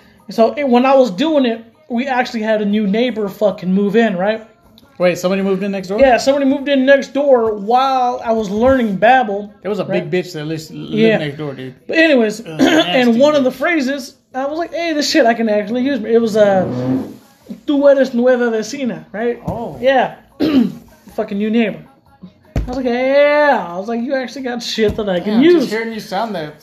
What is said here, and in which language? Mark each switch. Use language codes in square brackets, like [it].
[en] So, when I was doing it, we actually had a new neighbor fucking move in, right? Wait, somebody moved in next door? Yeah, somebody moved in next door while I was learning Babbel. There was a big bitch that lived next door, dude. But anyways, of the phrases, I was like, hey, this shit I can actually use. It was, [es] tú eres nueva vecina, [en] right? Oh. Yeah. Fucking new neighbor. I was like, yeah. I was like, you actually got shit that I can use. Just hearing you sound that.